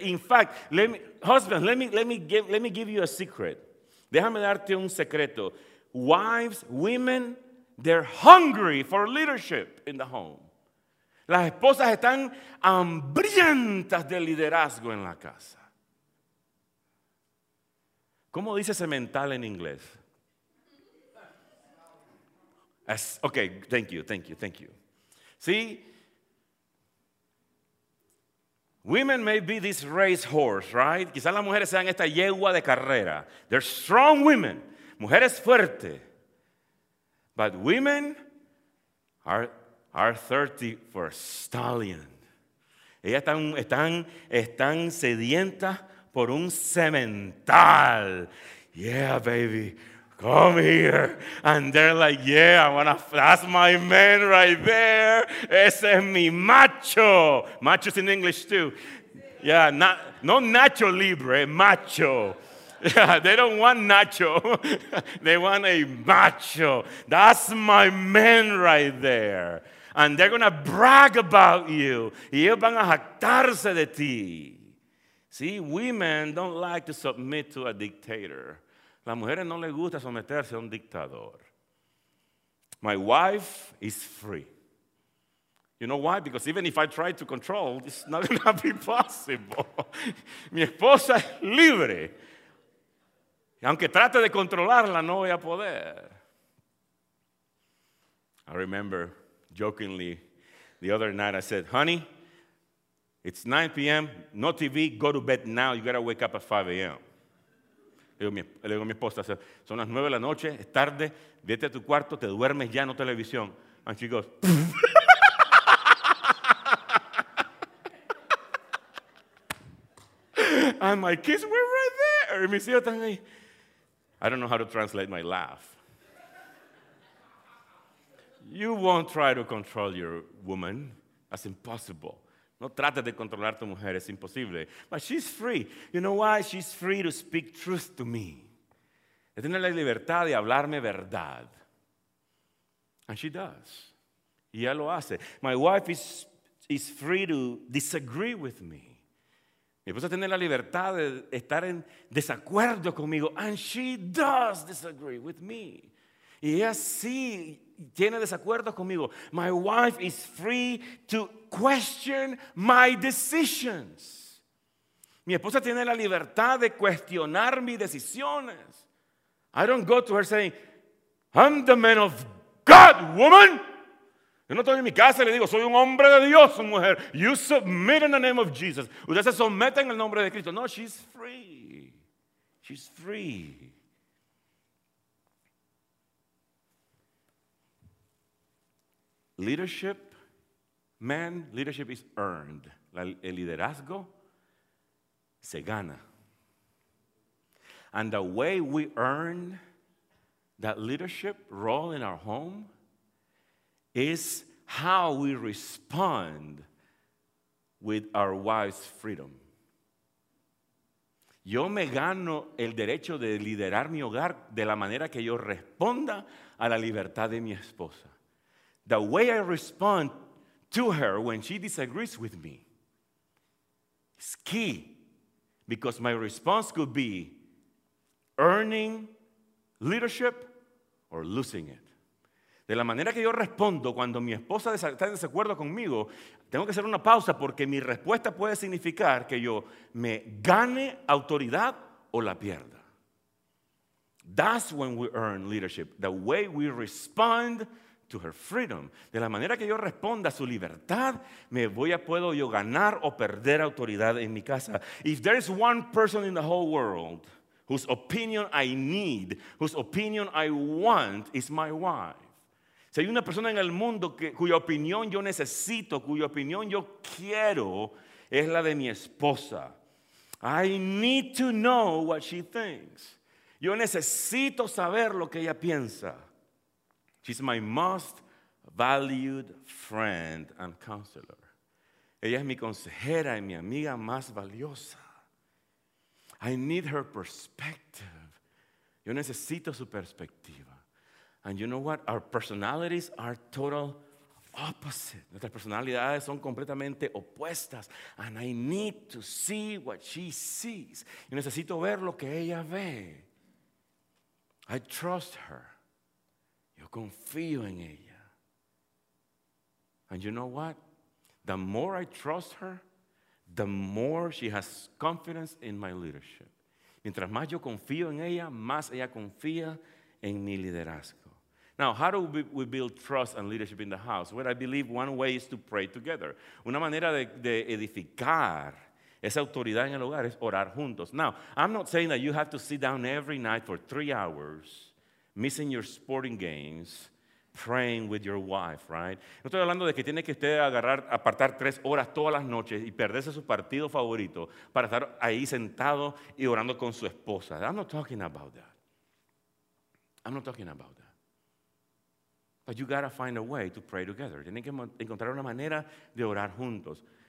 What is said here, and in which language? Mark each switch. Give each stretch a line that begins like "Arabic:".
English: In fact, let me give you a secret.
Spanish: Déjame darte un secreto.
English: Wives, women, they're hungry for leadership in the home.
Spanish: Las esposas están hambrientas de liderazgo en la casa. ¿Cómo dice semental en inglés?
English: Okay, thank you. See, women may be this race horse, right?
Spanish: Quizás las mujeres sean esta yegua de carrera.
English: They're strong women,
Spanish: mujeres fuertes.
English: But women are thirsty for stallion.
Spanish: Ellas están sedientas por un semental.
English: Yeah, baby. Come here. And they're like, yeah, that's my man right there.
Spanish: Ese es mi macho.
English: Macho's in English too. Yeah, no Nacho Libre, macho. Yeah, they don't want Nacho. They want a macho. That's my man right there. And they're going to brag about you.
Spanish: Y ellos van a jactarse de ti.
English: See, women don't like to submit to a dictator.
Spanish: Las mujeres no les gusta someterse a un dictador.
English: My wife is free. You know why? Because even if I try to control, it's not going to be possible.
Spanish: Mi esposa es libre. Y aunque trate de controlarla, no voy a poder.
English: I remember jokingly the other night I said, honey, it's 9 p.m., no TV, go to bed now. You got to wake up at 5 a.m.
Spanish: Le digo a mi esposa, son las 9 de la noche, es tarde, vete a tu cuarto, te duermes ya, no televisión.
English: And she goes, and my kids were right there.
Spanish: Y mis hijos están ahí.
English: I don't know how to translate my laugh. You won't try to control your woman. That's impossible.
Spanish: No trates de controlar a tu mujer, es imposible.
English: But she's free. You know why? She's free to speak truth to me.
Spanish: De tener la libertad de hablarme verdad.
English: And she does.
Spanish: Y ella lo hace.
English: My wife is free to disagree with me.
Spanish: Mi esposa tiene la libertad de estar en desacuerdo conmigo.
English: And she does disagree with me.
Spanish: Y ella sí tiene desacuerdos conmigo.
English: My wife is free to question my decisions.
Spanish: Mi esposa tiene la libertad de cuestionar mis decisiones.
English: I don't go to her saying, I'm the man of God, woman.
Spanish: Yo no estoy en mi casa y le digo, soy un hombre de Dios, mujer.
English: You submit in the name of Jesus.
Spanish: Usted se somete en el nombre de Cristo.
English: No, she's free. She's free. Leadership, man, leadership is earned.
Spanish: El liderazgo se gana.
English: And the way we earn that leadership role in our home is how we respond with our wife's freedom.
Spanish: Yo me gano el derecho de liderar mi hogar de la manera que yo responda a la libertad de mi esposa.
English: The way I respond to her when she disagrees with me is key, because my response could be earning leadership or losing it.
Spanish: De la manera que yo respondo cuando mi esposa está en desacuerdo conmigo, tengo que hacer una pausa porque mi respuesta puede significar que yo me gane autoridad o la pierda.
English: That's when we earn leadership, the way we respond to her freedom.
Spanish: De la manera que yo responda a su libertad, puedo yo ganar o perder autoridad en mi casa.
English: If there is one person in the whole world whose opinion I need, whose opinion I want, is my wife.
Spanish: Si hay una persona en el mundo cuya opinión yo necesito, cuya opinión yo quiero, es la de mi esposa.
English: I need to know what she thinks.
Spanish: Yo necesito saber lo que ella piensa.
English: She's my most valued friend and counselor.
Spanish: Ella es mi consejera y mi amiga más valiosa.
English: I need her perspective.
Spanish: Yo necesito su perspectiva.
English: And you know what? Our personalities are total opposite.
Spanish: Nuestras personalidades son completamente opuestas.
English: And I need to see what she sees.
Spanish: Yo necesito ver lo que ella ve.
English: I trust her.
Spanish: Yo confío en ella.
English: And you know what? The more I trust her, the more she has confidence in my leadership.
Spanish: Mientras más yo confío en ella, más ella confía en mi liderazgo.
English: Now, how do we build trust and leadership in the house? Well, I believe one way is to pray together.
Spanish: Una manera de edificar esa autoridad en el hogar es orar juntos.
English: Now, I'm not saying that you have to sit down every night for 3 hours, missing your sporting games, praying with your wife, right?
Spanish: No estoy hablando de que tiene que usted agarrar, apartar 3 horas todas las noches y perderse su partido favorito para estar ahí sentado y orando con su esposa.
English: I'm not talking about that. I'm not talking about that. But you gotta find a way to pray together.
Spanish: Tienen que encontrar una manera de orar juntos.